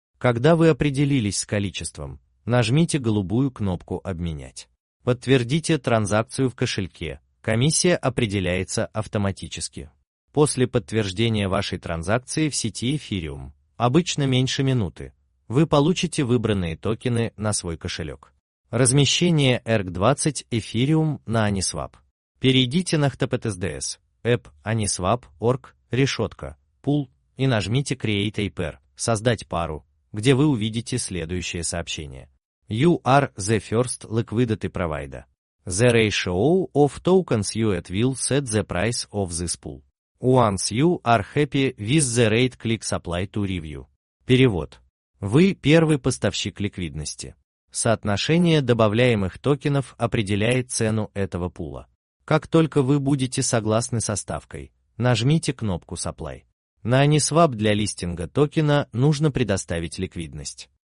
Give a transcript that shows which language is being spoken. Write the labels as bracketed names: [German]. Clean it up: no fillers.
[Russian] Когда вы определились с количеством, нажмите голубую кнопку «Обменять». Подтвердите транзакцию в кошельке. Комиссия определяется автоматически. После подтверждения вашей транзакции в сети Ethereum, обычно меньше минуты, вы получите выбранные токены на свой кошелек. Размещение ERC-20 Ethereum на Uniswap. Перейдите на HTTPS, app, Uniswap.org, решетка, pool, и нажмите [English] Create a pair, [Russian] создать пару, где вы увидите следующее сообщение. [English] You are the first liquidity provider. The ratio of tokens you add will set the price of this pool. Once you are happy with the rate, click supply to review. [Russian] Перевод. Вы первый поставщик ликвидности. Соотношение добавляемых токенов определяет цену этого пула. Как только вы будете согласны со ставкой, нажмите кнопку supply. На Uniswap для листинга токена нужно предоставить ликвидность.